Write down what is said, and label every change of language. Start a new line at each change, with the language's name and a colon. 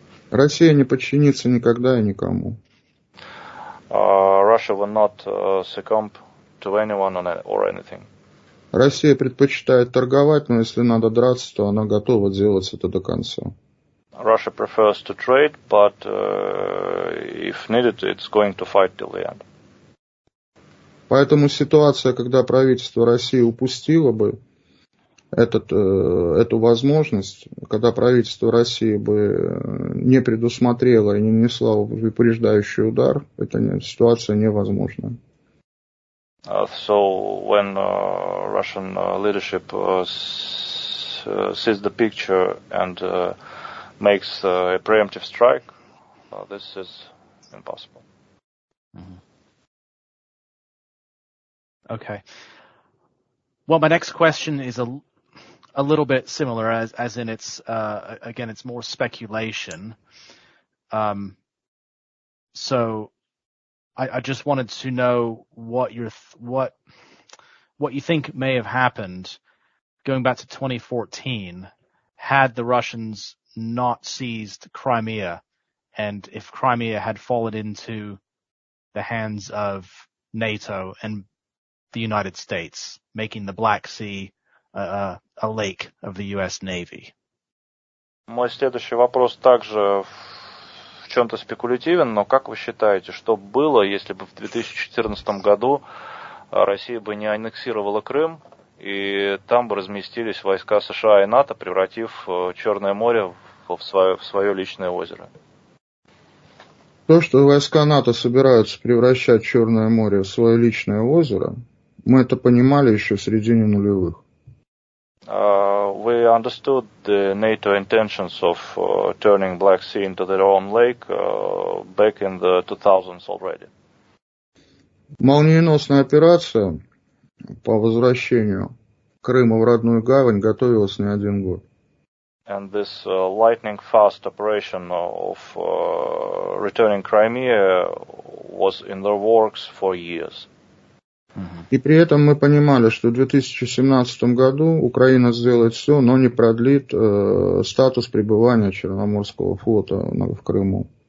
Russian: Россия не подчинится никогда и никому.
English: Russia will not succumb to anyone or anything.
Russian: Россия предпочитает торговать, но если надо драться, то она готова делать это до конца.
English: Russia prefers to trade, but if needed, it's going to fight till the end.
Russian: Поэтому ситуация, когда правительство России упустило бы эту возможность, когда правительство России бы не предусмотрело и не нанесло упреждающий удар, это ситуация невозможная.
English: So when Russian leadership sees the picture and makes a preemptive strike, this is impossible. Mm-hmm. Okay. Well, my next question is a little bit similar, as in it's again it's more speculation. So I just wanted to know what you think may have happened going back to 2014 had the Russians not seized Crimea, and if Crimea had fallen into the hands of NATO and the United States, making the Black Sea a lake of the US Navy.
Russian: Мой следующий вопрос также в чем-то спекулятивен, но как вы считаете, что было, если бы в 2014 году Россия бы не аннексировала Крым, и там бы разместились войска США и НАТО, превратив Черное море в свое личное озеро? То, что войска НАТО собираются превращать Черное море в свое личное озеро, мы это понимали еще в середине нулевых.
English: We understood the NATO intentions of turning Black Sea into their own lake back in the 2000s already.
Russian: Молниеносная операция по возвращению Крыма в родную гавань готовилась не один год.
English: And this lightning fast operation of returning Crimea was in the works for years.
Russian: И при этом мы понимали, что в 2017 году Украина сделает все, но не продлит статус пребывания Черноморского флота в Крыму.